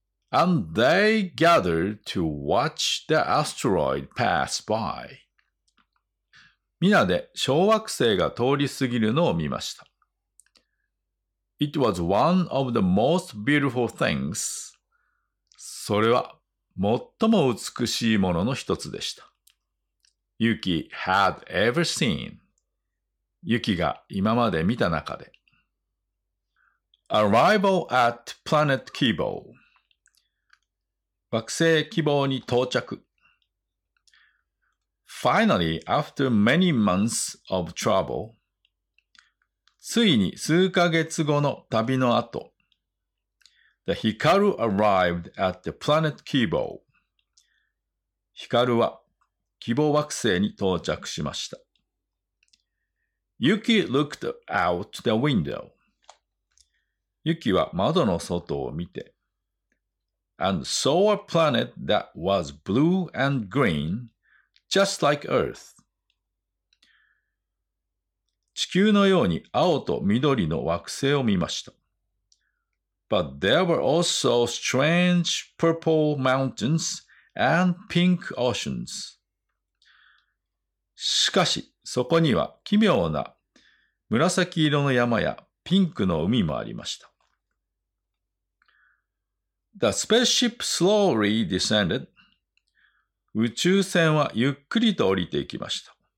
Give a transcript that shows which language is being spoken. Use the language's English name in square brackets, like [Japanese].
[English] And they gathered to watch the asteroid pass by. [Japanese] 皆で小惑星が通り過ぎるのを見ました。 [English] It was one of the most beautiful things. [Japanese] それは最も美しいものの一つでした。 [English] Yuki had ever seen. [Japanese] Yuki が今まで見た中で。 [English] Arrival at Planet Kibo. [Japanese] 惑星キボに到着。 [English] Finally, after many months of trouble, [Japanese] ついに数ヶ月後の旅の後、 [English] The Hikaru arrived at the planet Kibo. [Japanese] ヒカルは希望惑星に到着しました。 [English] Yuki looked out the window. [Japanese] Yuki は窓の外を見て、 [English] And saw a planet that was blue and green, just like Earth. [Japanese] 地球のように青と緑の惑星を見ました。 [English] But there were also strange purple mountains and pink oceans. [Japanese] しかし、そこには奇妙な紫色の山やピンクの海もありました。 [English] The spaceship slowly descended. [Japanese] 宇宙船はゆっくりと降りていきました。